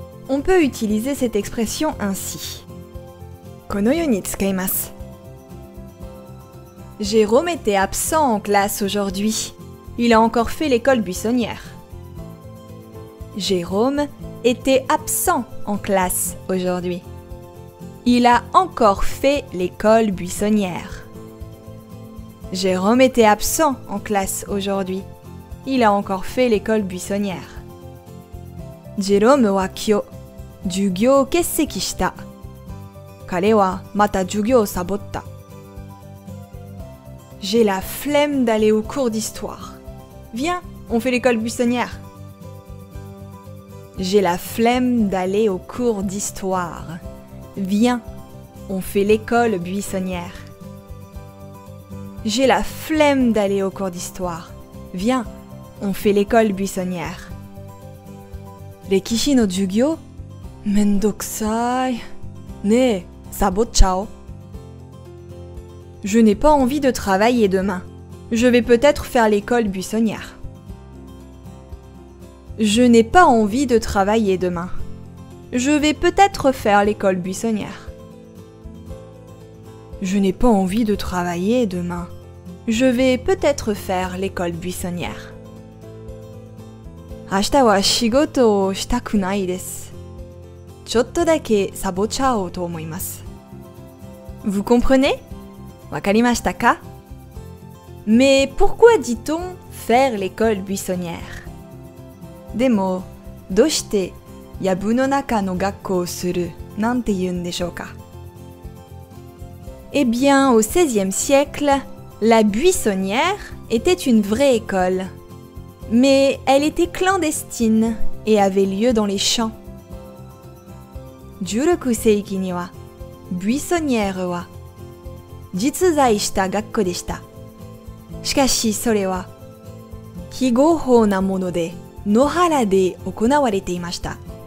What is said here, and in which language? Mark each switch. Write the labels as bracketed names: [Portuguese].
[French] on peut utiliser cette expression ainsi. [Japanese] このように使います。 [French] Jérôme était absent en classe aujourd'hui. Il a encore fait l'école buissonnière. Jérôme était absent en classe aujourd'hui. Il a encore fait l'école buissonnière. Jérôme était absent en classe aujourd'hui. Il a encore fait l'école buissonnière. [Japanese] Jérôme は今日、授業を欠席した。彼はまた授業をサボった。 [French] J'ai la flemme d'aller au cours d'histoire. Viens, on fait l'école buissonnière. J'ai la flemme d'aller au cours d'histoire. Viens, on fait l'école buissonnière. J'ai la flemme d'aller au cours d'histoire. Viens, on fait l'école buissonnière. [Japanese] Rekishi no jugyo? Mendokusai. Ne, sabotchao. [French] Je n'ai pas envie de travailler demain. Je vais peut-être faire l'école buissonnière. Je n'ai pas envie de travailler demain. Je vais peut-être faire l'école buissonnière. Je n'ai pas envie de travailler demain. Je vais peut-être faire l'école buissonnière. [Japanese] 明日は仕事をしたくないです。ちょっとだけサボっちゃおうと思います。 [French] Vous comprenez? [Japanese] わかりましたか? [French] Mais pourquoi dit-on faire l'école buissonnière? [Japanese] でも、どうしてやぶの中の学校をするなんて言うんでしょうか? [French] Eh bien, au XVIe siècle, la buissonnière était une vraie école. Mais elle était clandestine et avait lieu dans les champs. [Japanese] 16世紀には、buissonnière は実在した学校でした。しかしそれは非合法なもので野原で行われていました。